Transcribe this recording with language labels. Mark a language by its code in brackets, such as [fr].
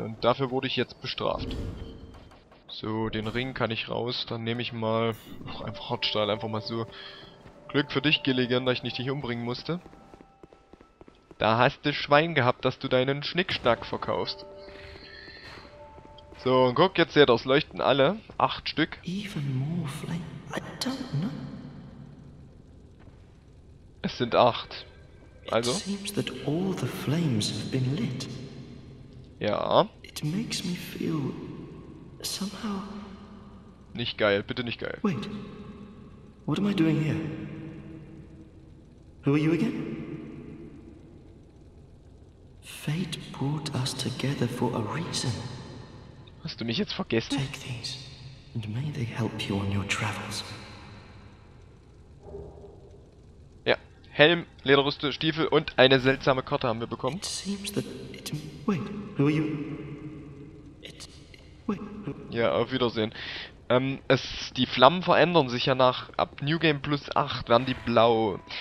[de] Und dafür wurde ich jetzt bestraft. So, den Ring kann ich raus. Dann nehme ich mal einfach Hartstahl, einfach mal so. Glück für dich, Gilligan, dass ich nicht dich umbringen musste. Da hast du Schwein gehabt, dass du deinen Schnickschnack verkaufst. So, und guck, jetzt seht ihr, es leuchten alle. 8 Stück. [en] Even more flame. I don't know. [de] Es sind 8. Also? [en] It seems that all the flames have been lit. [de] Ja. [en] It makes me feel somehow... [de] Nicht geil, bitte nicht geil. [en] Wait. What am I doing here? Who are you again? Fate brought us together for a reason. [de] Hast du mich jetzt vergessen? [en] Take these, and may they help you on your travels. [de] Ja, Helm, Lederrüste, Stiefel und eine seltsame Karte haben wir bekommen. [en] It seems that it... Wait, who are you? It... Wait, who... [de] Ja, auf Wiedersehen. Die Flammen verändern sich ja nach... Ab New Game Plus 8 werden die blau.